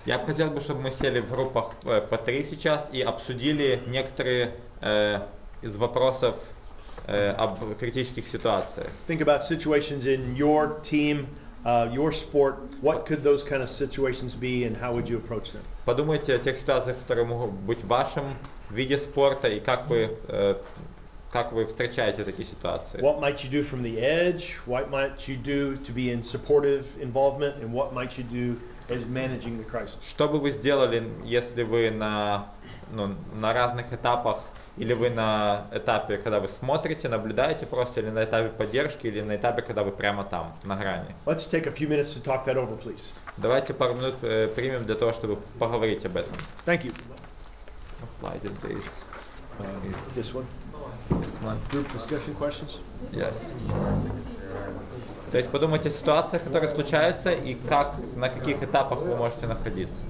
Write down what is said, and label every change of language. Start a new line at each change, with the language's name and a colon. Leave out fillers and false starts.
Russian: Я бы хотел, чтобы мы сели в группах по три сейчас и обсудили некоторые из вопросов об критических ситуациях.
English: Think about situations in your team. Your sport, what could those kind of situations be and how would you approach them?
Russian: Подумайте о тех ситуациях, которые могут быть в вашем виде спорта и как вы встречаете такие ситуации.
English: What might you do from the edge? What might you do to be in supportive involvement? And what might you do as managing the crisis?
Russian: Что бы вы сделали, если вы на разных этапах, или вы на этапе, когда вы смотрите, наблюдаете просто, или на этапе поддержки, или на этапе, когда вы прямо там, на грани.
English: Let's take a few minutes to talk that over, please.
Russian: Давайте пару минут примем для того, чтобы поговорить об этом.
English: Thank you. A slide in this. This one? This one. Group discussion questions? Yes.
Russian: То есть подумайте о ситуациях, которые случаются, и как, на каких этапах вы можете находиться.